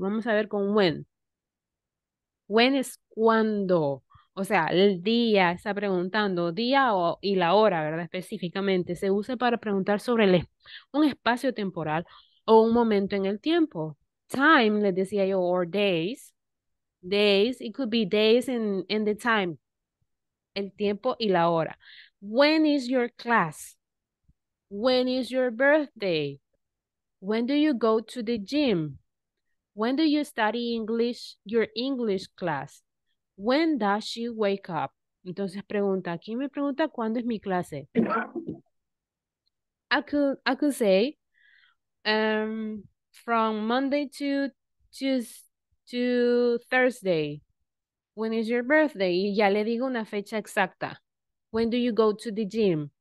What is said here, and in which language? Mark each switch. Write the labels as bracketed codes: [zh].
[es] Vamos a ver con when. When es cuando. O sea, el día, está preguntando. Día y la hora, ¿verdad? Específicamente. Se usa para preguntar sobre un espacio temporal o un momento en el tiempo. [en] Time, [es] les decía yo, [en] or days. Days, it could be days in the time. [es] El tiempo y la hora. [en] When is your class? When is your birthday? When do you go to the gym? When do you study English, your English class? When does she wake up? [es] Entonces pregunta, ¿quién me pregunta cuándo es mi clase? [en] I could say from Monday to Thursday. When is your birthday? [es] Y ya le digo una fecha exacta. [en] When do you go to the gym?